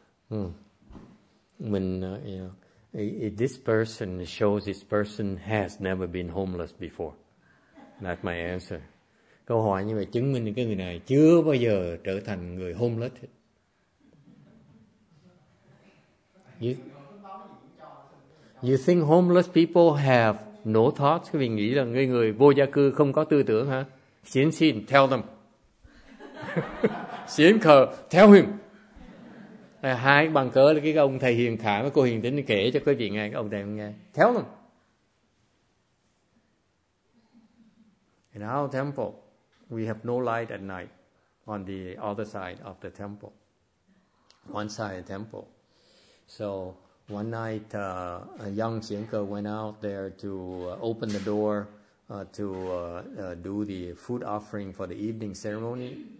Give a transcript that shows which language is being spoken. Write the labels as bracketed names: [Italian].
[English] If this person shows this person has never been homeless before, that's my answer. [Vietnamese] Câu hỏi như vậy chứng minh cái người này chưa bao giờ trở thành người homeless. [English] You think homeless people have no thoughts? [Vietnamese] Quý vị nghĩ là người vô gia cư không có tư tưởng hả? Xin, [English] tell them. tell him. [Vietnamese] Hai bằng cớ là cái ông thầy hiền khả với cô hiền tính kể cho quý vị nghe, cái ông thầy nghe. [English] Tell them. In our temple, we have no light at night on the other side of the temple. One side of the temple. So, one night, a young Xianke went out there to open the door to do the food offering for the evening ceremony.